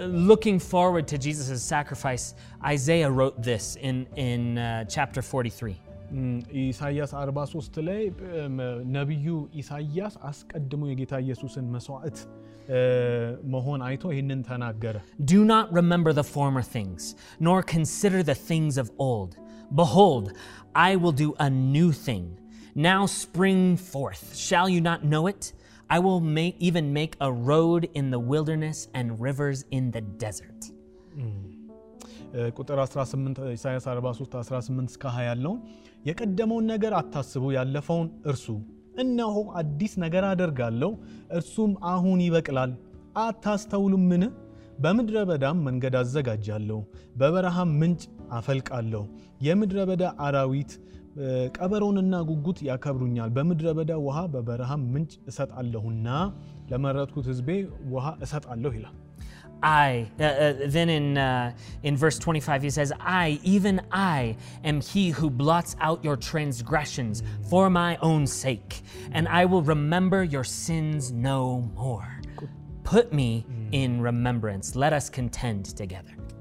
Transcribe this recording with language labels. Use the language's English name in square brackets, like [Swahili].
[English] Looking forward to Jesus's sacrifice, Isaiah wrote this in chapter 43. [Amharic] ኢሳይያስ 43 ላይ ነብዩ ኢሳይያስ አስቀድሞ የጌታ ኢየሱስን መስዋዕት መሆን አይቶ ይሄንን ተናገረ. [English] Do not remember the former things, nor consider the things of old. Behold, I will do a new thing. Now spring forth. Shall you not know it? I will make a road in the wilderness and rivers in the desert. [Amharic] ቁጥር 18 ኢሳይያስ 43 18 እስከ 20 ያለው የቀደመውን ነገር አታስቡ ያለፈውን እርሱ እነሆ አዲስ ነገር አደርጋለሁ እርሱም አሁን ይበቅላል አታስተውሉምን በምድረ በዳም መንገድ አዘጋጃለሁ በበረሃም ምንጭ አፈልቃለሁ የምድረ በዳ አራዊት ቀበሮንና ጉጉት ያከብሩኛል በምድረ በዳ ውሃ በበረሃም ምንጭ እሰጣለሁና ለመረጥኩት ህዝቤ ውሃ እሰጣለሁ ይላል. [English] Then in verse 25 he says, I am he who blots out your transgressions for my own sake, and I will remember your sins no more. Put me in remembrance. Let us contend together.